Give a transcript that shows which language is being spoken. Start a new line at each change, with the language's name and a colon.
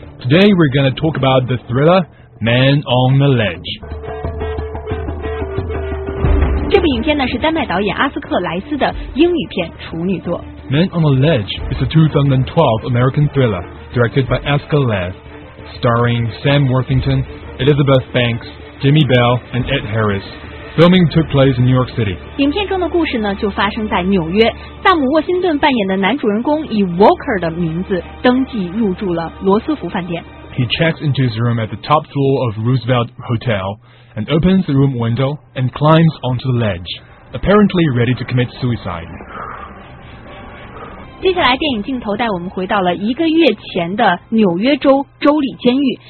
English: Today we're going to talk about the thriller Man on the Ledge.
Chinese: 这部影片呢是丹麦导演阿斯克莱斯的英语片处女作。
English: Man on the Ledge is a 2012 American thriller directed by Asker Les, starring Sam Worthington, Elizabeth Banks, Jimmy Bell, and Ed Harris. Filming took place in New York City.
Chinese: 影片中的故事呢就发生在纽约。萨姆沃辛顿扮演的男主人公以 Walker 的名字登记入住了罗斯福饭店。
English: He checks into his room at the top floor of Roosevelt Hotel and opens the room window and climbs onto the ledge, apparently ready to commit suicide.
Chinese: 接下来电影镜头带我们回到了一个月前的纽约州州立监狱。